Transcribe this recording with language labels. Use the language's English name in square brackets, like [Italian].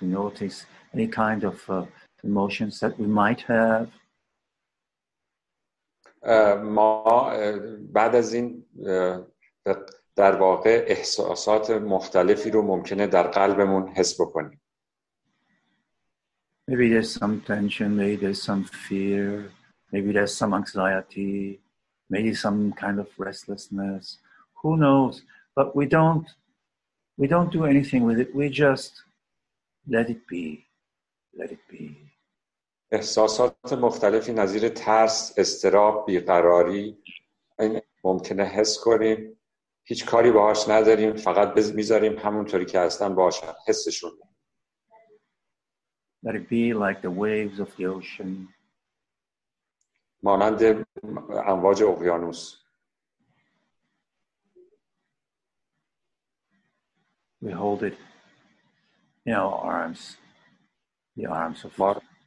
[English] We notice any kind of emotions that we might have. [Persian] ما بعد از این در واقع احساسات مختلفی رو ممکنه در قلبمون حس بکنیم. [English] Maybe there's some tension, maybe there's some fear, maybe there's some anxiety, maybe some kind of restlessness. Who knows? But we don't do anything with it. We just let it be. Let it be. [Persian] احساسات مختلفی نظیر ترس، استراب، بیقراری ممکنه حس کنیم، هیچ کاری باهاش نداریم، فقط میذاریم همونطوری که هستن باشن، حسشون. [English] Let it be like the waves of the ocean. [Persian] مانند امواج اقیانوس. [English] We hold it in our arms, the arms of God.